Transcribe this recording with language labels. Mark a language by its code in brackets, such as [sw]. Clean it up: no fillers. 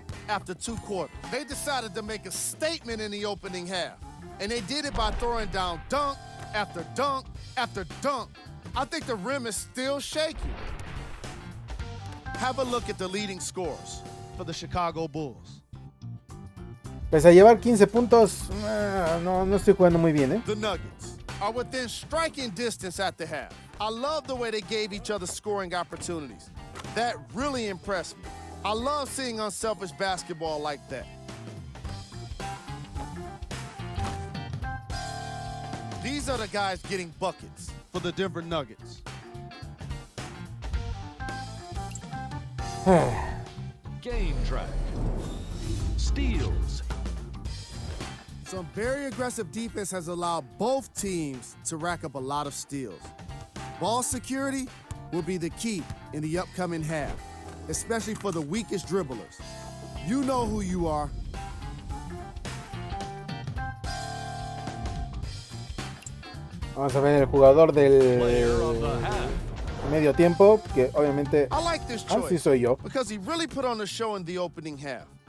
[en] After two quarters, they decided to make a statement in the opening half. And they did it by throwing down dunk after dunk after dunk. I think the rim is still shaky. Have a look at the leading scores for the Chicago Bulls. [es] Pese a llevar 15 puntos, no estoy jugando muy bien, ¿eh? [en] The Nuggets are within striking distance at the half. I love the way they gave each other scoring opportunities. That really impressed me. I love seeing unselfish basketball like that. These are the guys getting buckets for the Denver Nuggets. Game drag. Steals. Some very aggressive defense has allowed both teams to rack up a lot of steals. Ball security will be the key in the upcoming half. Especially for the weakest dribblers. You know who you are. [es] Vamos a ver el jugador del medio tiempo, que obviamente [en] I like this [es] así soy yo. [en] Because he really put on a show in the opening half.